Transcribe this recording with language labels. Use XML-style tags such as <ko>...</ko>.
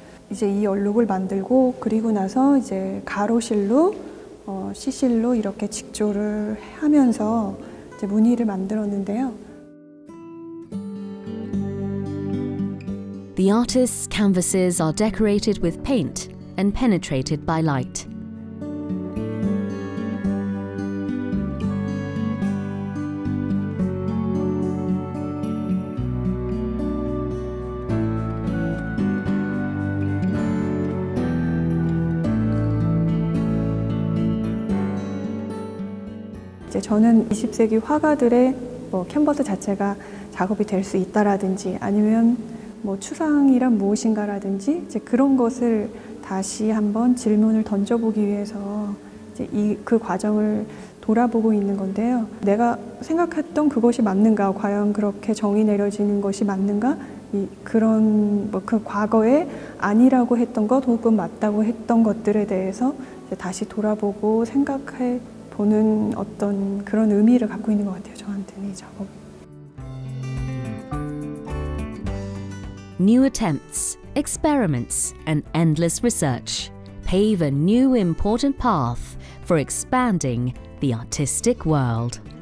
<ko>이제 이 얼룩을 만들고 그리고 나서 이제 가로실로 시실로 이렇게 직조를 하면서 이제 무늬를 만들었는데요.</ko> <en>The artist's canvases are decorated with paint and penetrated by light.</en> <ko>저는 20세기 화가들의 뭐 캔버스 자체가 작업이 될 수 있다라든지 아니면 뭐 추상이란 무엇인가라든지 이제 그런 것을 다시 한번 질문을 던져보기 위해서 이제 그 과정을 돌아보고 있는 건데요. 내가 생각했던 그것이 맞는가, 과연 그렇게 정이 내려지는 것이 맞는가, 그런 뭐 그 과거에 아니라고 했던 것 혹은 맞다고 했던 것들에 대해서 이제 다시 돌아보고 생각해 보는 어떤 그런 의미를 갖고 있는 것 같아요. 저한테는 이 작업.</ko> <en>New attempts, experiments, and endless research pave a new important path for expanding the artistic world.</en>